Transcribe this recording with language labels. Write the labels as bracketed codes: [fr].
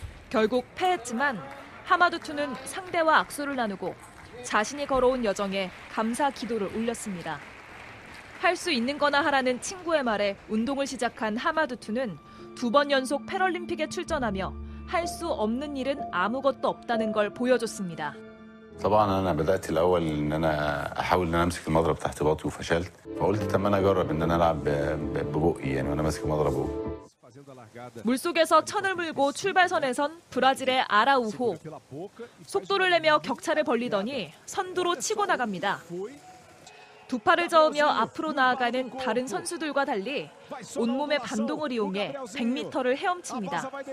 [ko] 결국 패했지만 하마두투는 상대와 악수를 나누고 자신이 걸어온 여정에 감사 기도를 올렸습니다. 할 수 있는 거나 하라는 친구의 말에 운동을 시작한 하마두투는 두 번 연속 패럴림픽에 출전하며 할 수 없는 일은 아무것도 없다는 걸 보여줬습니다. [ar] طبعا انا بدات الاول ان انا احاول ان انا امسك المضرب تحت بطني وفشلت فقلت طب انا اجرب ان انا العب ببقي يعني وانا ماسك المضرب. [ko] 물속에서 천을 물고 출발선에선 브라질의 아라우호. 속도를 내며 격차를 벌리더니 선두로 치고 나갑니다. 두 팔을 저으며 앞으로 나아가는 다른 선수들과 달리 온몸의 반동을 이용해 100m를 헤엄칩니다.